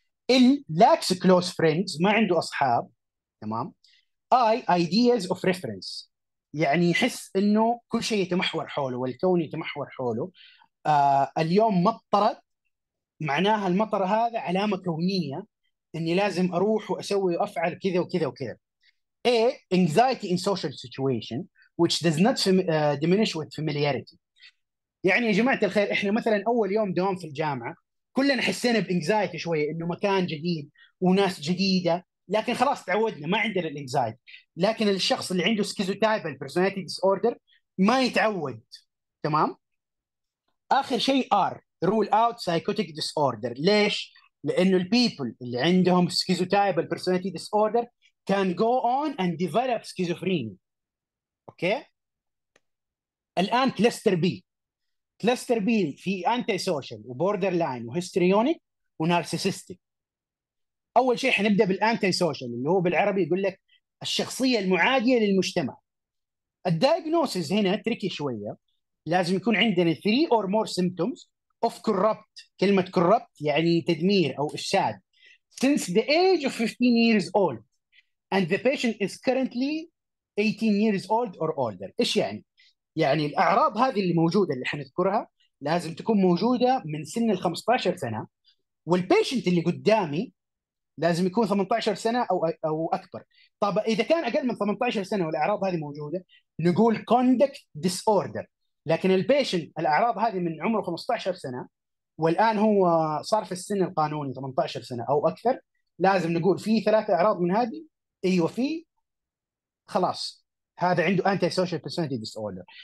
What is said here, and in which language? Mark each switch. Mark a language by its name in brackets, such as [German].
[Arabic] ال لاكس كلوز فريندز، ما عنده اصحاب، تمام. اي ايدياز اوف ريفرنس، يعني يحس انه كل شيء يتمحور حوله والكون يتمحور حوله. اليوم مطرت، معناها المطر هذا علامة كونية اني لازم اروح واسوي وافعل كذا وكذا وكذا. [English] ايه anxiety in social situation which does not diminish with familiarity. [Arabic] يعني يا جماعة الخير، احنا مثلا اول يوم دوام في الجامعة كلنا حسينا بانكزايتي شوية، انه مكان جديد وناس جديدة، لكن خلاص تعودنا ما عندنا الانكزايتي. لكن الشخص اللي عنده سكيزوتايب البرسوناليتي ديس اوردر ما يتعود، تمام. اخر شيء ار رول اوت سايكوتيك ديس اوردر، ليش؟ لانه البيبل اللي عندهم سكيزوتايب البرسوناليتي ديس اوردر كان جو اون اند ديفلوب سكيزوفرينيا. اوكي، الان كلستر بي، كلستر بي في انتي سوشيال وبوردر لاين وهيستريونيك ونارسيسستيك. اول شيء حنبدا بالانتي سوشيال اللي هو بالعربي يقول لك الشخصيه المعاديه للمجتمع. الدايجنوسيس هنا تريكي شويه، لازم يكون عندنا 3 اور مور سيمبتومز of corrupt. كلمة corrupt يعني تدمير أو إفساد. [English] Since the age of 15 years old and the patient is currently 18 years old or older. [Arabic] إيش يعني؟ يعني الأعراض هذه اللي موجودة اللي حنذكرها لازم تكون موجودة من سن ال 15 سنة، والبيشنت اللي قدامي لازم يكون 18 سنة أو أكبر. طب إذا كان أقل من 18 سنة والأعراض هذه موجودة نقول conduct disorder، لكن البيشنت الاعراض هذه من عمره 15 سنه والان هو صار في السن القانوني 18 سنه او اكثر، لازم نقول في ثلاثة اعراض من هذه، ايوه في، خلاص هذا عنده انتي سوشيال بيرسوناليتي ديس اوردر.